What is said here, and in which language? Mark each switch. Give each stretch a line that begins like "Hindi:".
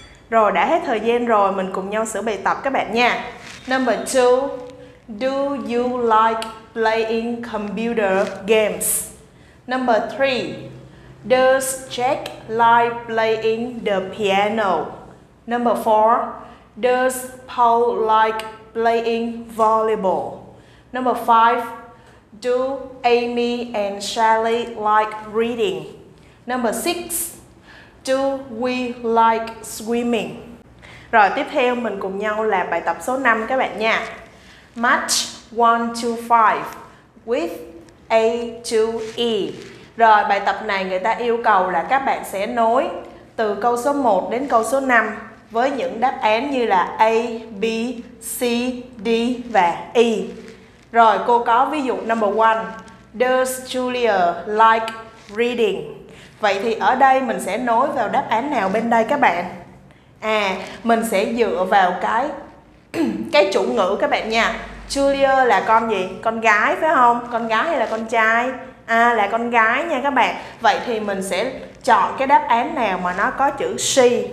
Vietnamese: Rồi, đã hết thời gian rồi, mình cùng nhau sửa bài tập các bạn nha.
English: Number 2, do you like playing computer games? Number 3, does Jack like playing the piano? Number 4, does Paul like playing volleyball? Number 5, do Amy and Shelley like reading? Number 6, do we like swimming?
Vietnamese: Rồi tiếp theo mình cùng nhau làm bài tập số 5 các bạn nha.
English: Match 1 to 5 with A to E.
Vietnamese: Rồi bài tập này người ta yêu cầu là các bạn sẽ nối từ câu số 1 đến câu số 5 với những đáp án như là A, B, C, D và E. Rồi cô có ví dụ number 1.
English: Does Julia like reading?
Vietnamese: Vậy thì ở đây mình sẽ nối vào đáp án nào bên đây các bạn? À, mình sẽ dựa vào cái chủ ngữ các bạn nha. Julia là con gì? Con gái phải không? Con gái hay là con trai? À, là con gái nha các bạn. Vậy thì mình sẽ chọn cái đáp án nào mà nó có chữ she.